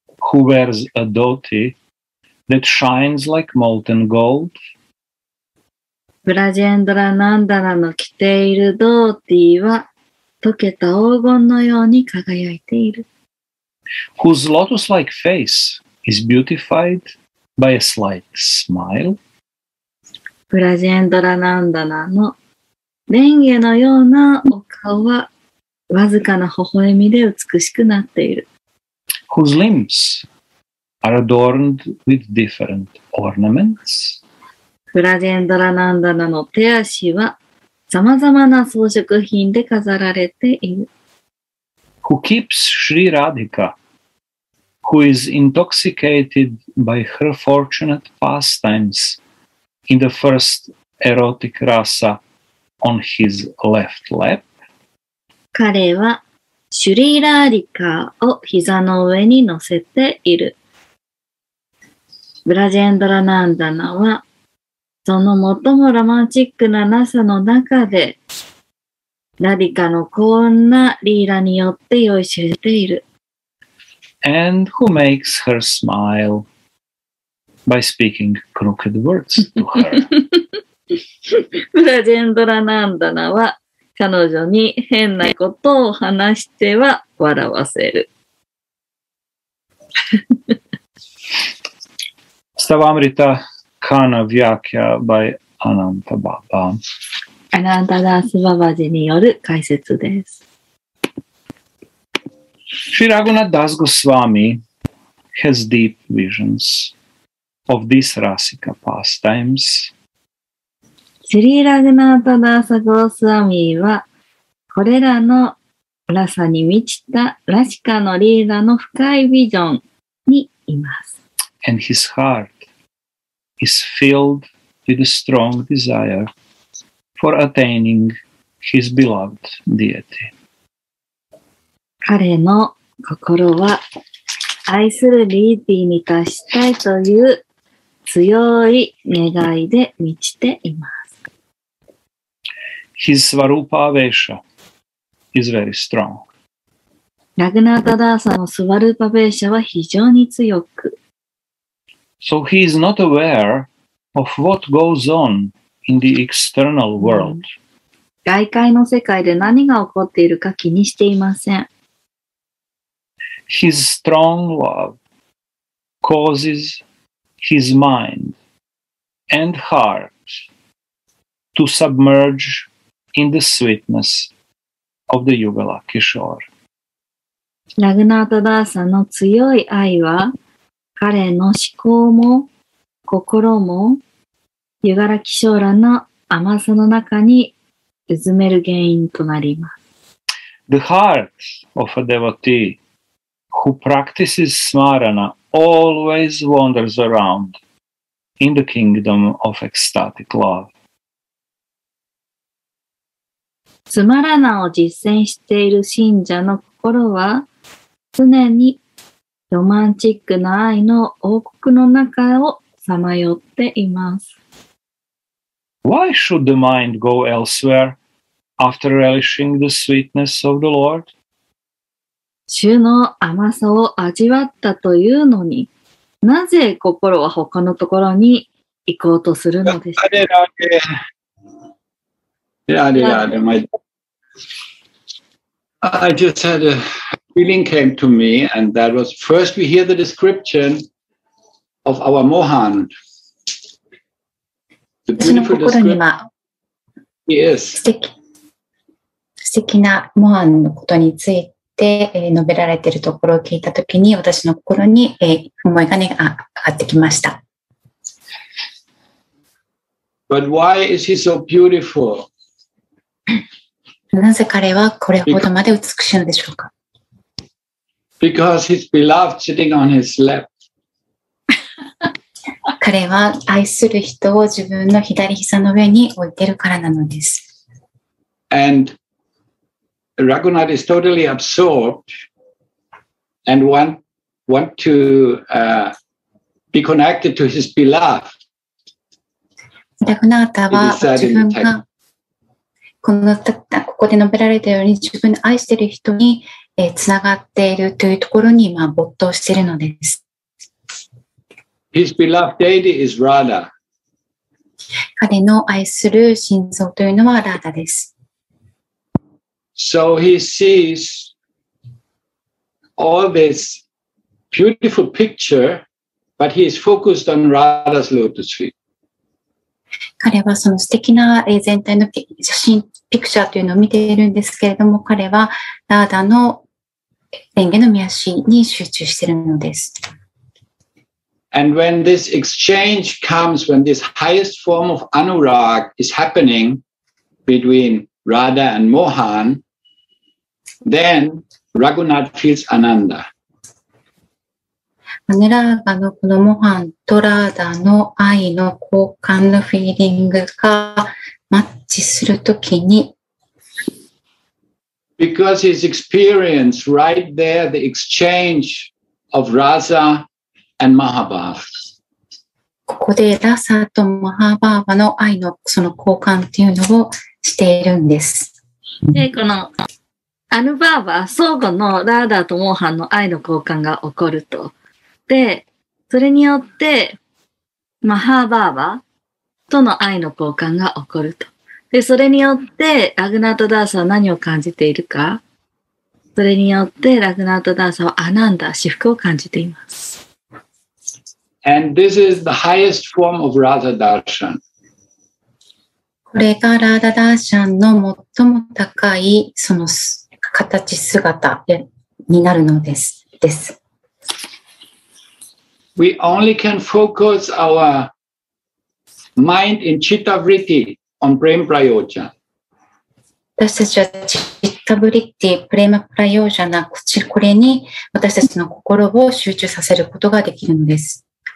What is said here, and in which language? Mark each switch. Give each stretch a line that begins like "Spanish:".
English: Who wears a dhoti that shines like molten gold?
Japanese: ブラジェンドラナンダラの着ているドーティは、溶けた黄金のように輝いている。
English: Whose lotus-like face is beautified? By a slight smile.
Japanese: ブラジェンドラナンダナのレンゲのようなお顔はわずかな微笑みで美しくなっている。
English: Whose limbs are adorned with different ornaments?
Japanese: ブラジェンドラナンダナの手足はさまざまな装飾品で飾られている。
English: Who keeps Sri Radhika? Who is intoxicated by her fortunate pastimes in the first erotic rasa on his left lap.
Japanese: 彼はシュリーラーリカーを膝の上に乗せている。ブラジェンドラナンダナは、その最もロマンチックなラサの中で、ラリカの幸運なリーラによって酔いしれている。
English: And who makes her smile by speaking crooked words to her?
Japanese: ブラジェンドラナンダナは、彼女に変なことを話しては笑わせる。
English: Stavamrita Kana Vyakya by Ananta Baba.
Japanese: Ananta Das Babaji による解説です。
English: Sri Raghunath Das Goswami has deep visions of these rasika pastimes.
Japanese: シリー・ラグナート・ダーサ・ゴースワミーは、これらのラサに満ちたラシカのリーダーの深いビジョンにいます。
English: And his heart is filled with a strong desire for attaining his beloved deity.
Japanese: 彼の心は、愛するリーディーに達したいという強い願いで満ちています。
English: His Svarupa Avesha is very strong.
Japanese: ラグナタダーサのスワルパベーシャは非常に強く。
English: So he is not aware of what goes on in the external world.
Japanese: 外界の世界で何が起こっているか気にしていません。
English: His strong love causes his mind and heart to submergeIn the sweetness of the Yugala Kishore.
Japanese: ラグナートダーサの強い愛は彼の思考も心もユガラキショーラの甘さの中に埋める原因となります。
English: The heart of a devotee who practices smarana always wanders around in the kingdom of ecstatic love.
Japanese: スマラナを実践している信者の心は常にロマンチックな愛の王国の中をさまよっています。
English: Why should the mind go elsewhere after relishing the sweetness of the Lord?
Japanese: 主の甘さを味わったというのに、なぜ心は他のところに行こうとするのでしょうか。
English: I just had a feeling came to me, and that was first we hear the description of our Mohan. The beautiful description. Yes.
Japanese: 素敵なモハンのことについて述べられているところを聞いたときに、私の心に思いが上がってきました。
English: But why is he so beautiful?
Japanese: なぜ彼はこれほどまで美しいのでしょうか。
English: Because his beloved sitting on his lap.
Japanese: 彼は愛する人を自分の左膝の上に置いているからなのです。
English: And Raghunath is totally absorbed and want to be connected to his beloved.
Japanese: ラグナータは自分がここで述べられたように自分の愛している人につながっているというところに今没頭しているのです。
English: His beloved deity is Radha.
Japanese: 彼の愛する神像というのはラーダです。
English: So he sees all this beautiful picture, but he is focused on Radha's lotus feet.
Japanese: 彼はその素敵な全体の写真、ピクチャーというのを見ているんですけれども、彼はラーダの蓮華の御足に集中しているのです。
English: And when this exchange comes, when this highest form of anurag is happening between Radha and Mohan, then Raghunath feels ananda.
Japanese: アヌラーガのこのモハンとラーダの愛の交換のフィーリングがマッチするときに、
English: Because his experience right there, the exchange of Rasa and Mahabhava.
Japanese: ここでラサとマハバーバの愛のその交換っていうのをしているんです。で、このアヌバーバ、相互のラーダとモハンの愛の交換が起こると。で、それによってマハバーバとの愛の交換が起こると。で、それによって、ラグナートダーサは何を感じているか、それによって、ラグナートダーサはアナンダ、至福を感じています。
English: And this is the highest form of Radha Darshan.
Japanese: これがラーダダーシャンの最も高い、その形、姿になるのです。です。
English: We only can focus our mind in Chitta Vritti. On Prem Prayojana.
Japanese: 私たちはチッタブリッティ、プレマプラヨージャナ、これに私たちの心を集中させることができるのです。